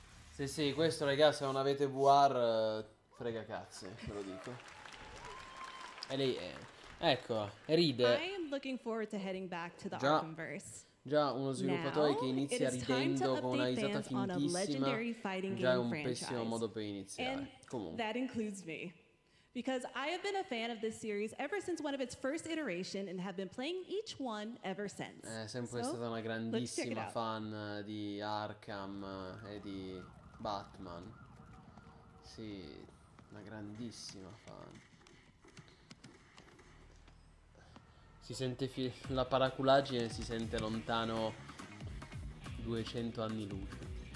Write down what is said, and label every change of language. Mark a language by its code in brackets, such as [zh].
[it] Sì, sì, questo ragazzi, se non avete VR frega cazzo, ve lo dico. E lei è. Ecco, e ride. [en] I am looking forward to heading back to the Arkhamverse. [it] Già uno sviluppatore che inizia ridendo con una risata fintissima, già è un pessimo modo per iniziare. [en] And [it] comunque. [en] That includes me, because I have been a fan of this series ever since one of its first iteration and have been playing each one ever since. [it] Sempre stata una grandissima fan di Arkham e di Batman. Sì, una grandissima fan. Si sente la paraculagine, si sente lontano 200 anni luce.